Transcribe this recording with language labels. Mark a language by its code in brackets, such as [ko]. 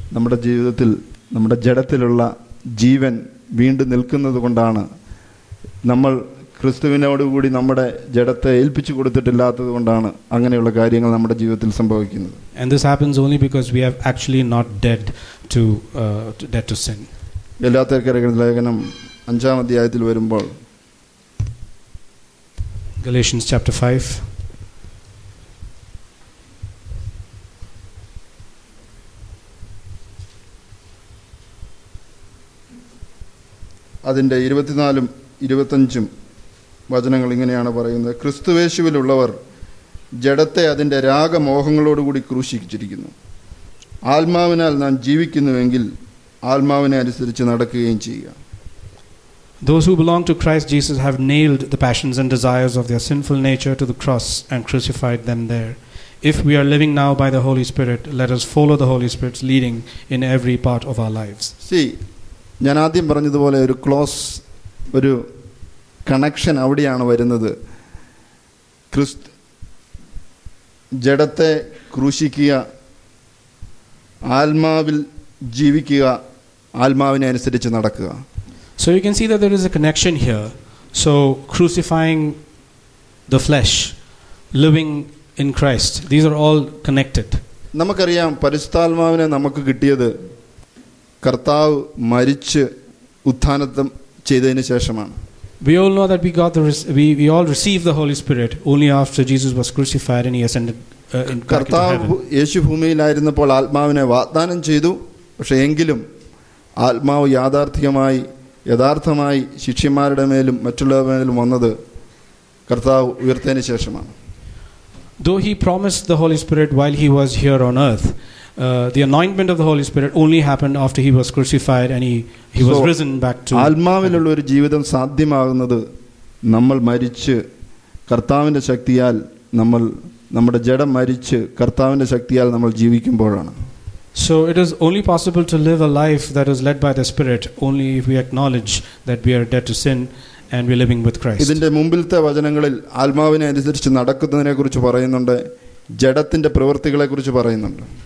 [ml] നമ്മുടെ ജീവിതത്തിൽ നമ്മുടെ ജഡത്തിലുള്ള ജീവൻ വീണ്ടും നിൽക്കുന്നതുകൊണ്ടാണ് നമ്മൾ ക്രിസ്തുവിനോട് കൂടി നമ്മുടെ ജഡത്തെ ഏൽപ്പിച്ചു കൊടുത്തിട്ടില്ലാത്തതുകൊണ്ടാണ് അങ്ങനെയുള്ള കാര്യങ്ങൾ നമ്മുടെ ജീവിതത്തിൽ സംഭവിക്കുന്നത്. [en] And this happens only because we have actually not dead to dead to sin. [ml] ഗലാത്യർക്കെഴുതിയ ലേഖനം 5-ാം അധ്യായത്തിൽ വരുമ്പോൾ [en] Galatians chapter 5 [ml] അതിൻ്റെ 24-ഉം 25-ഉം വചനങ്ങൾ ഇങ്ങനെയാണ് പറയുന്നത്. ക്രിസ്തുവേശുവിലുള്ളവർ ജഡത്തെ അതിൻ്റെ രാഗമോഹങ്ങളോടുകൂടി ക്രൂശിച്ചിരിക്കുന്നു. ആത്മാവിനാൽ നാം ജീവിക്കുന്നുവെങ്കിൽ ആത്മാവിനെ അനുസരിച്ച് നടക്കുകയും ചെയ്യുക. [en] Those who belong to Christ Jesus have nailed the passions and desires of their sinful nature to the cross and crucified them there. If we are living now by the Holy Spirit, let us follow the Holy Spirit's leading in every part of our lives. [ml] See, ഞാൻ ആദ്യം പറഞ്ഞതുപോലെ ഒരു close ഒരു connection അവിടെയാണ് വരുന്നത്. ക്രിസ്തു ജഡത്തെ ക്രൂശിക്കുക, ആത്മാവിൽ ജീവിക്കുക, ആത്മാവിനെ അനുസരിച്ച് നടക്കുക. [en] So you can see that there is a connection here. So crucifying the flesh, living in Christ, these are all connected. [ml] നമുക്കറിയാം പരിശുദ്ധാത്മാവിനെ നമുക്ക് കിട്ടിയത് കർത്താവ് മരിച്ച് ഉത്ഥാനത്തം ചെയ്തതിന് ശേഷമാണ്. [en] We all know that we got the we all received the Holy Spirit only after Jesus was crucified and he ascended back into heaven. [ml] കർത്താവ് യേശു ഭൂമിയിലായിരുന്നപ്പോൾ ആത്മാവിനെ വാഗ്ദാനം ചെയ്തു, പക്ഷേ എങ്കിലും ആത്മാവ് യഥാർത്ഥമായി ശിഷ്യന്മാരുടെ മേലും മറ്റുള്ളവരുടെ വന്നത് കർത്താവ് ഉയർത്തതിന് ശേഷമാണ്. [en] Though he promised the Holy Spirit while he was here on earth, the anointment of the Holy Spirit only happened after he was crucified and he was risen back to [ml] ആത്മാവിലുള്ള ഒരു ജീവിതം സാധ്യമാകുന്നത് നമ്മൾ മരിച്ച് കർത്താവിന്റെ ശക്തിയാൽ നമ്മൾ നമ്മുടെ ജഡം മരിച്ച് കർത്താവിന്റെ ശക്തിയാൽ നമ്മൾ ജീവിക്കുമ്പോഴാണ്. [en] So it is only possible to live a life that is led by the Spirit only if we acknowledge that we are dead to sin and we are living with Christ. [ml] ഇതിന്റെ മുൻപിലത്തെ വചനങ്ങളിൽ ആത്മാവിനെ അനുസരിച്ച് നടക്കുന്നതിനെക്കുറിച്ച് പറയുന്നുണ്ട്, ജഡത്തിന്റെ പ്രവൃത്തികളെക്കുറിച്ച് പറയുന്നുണ്ട്.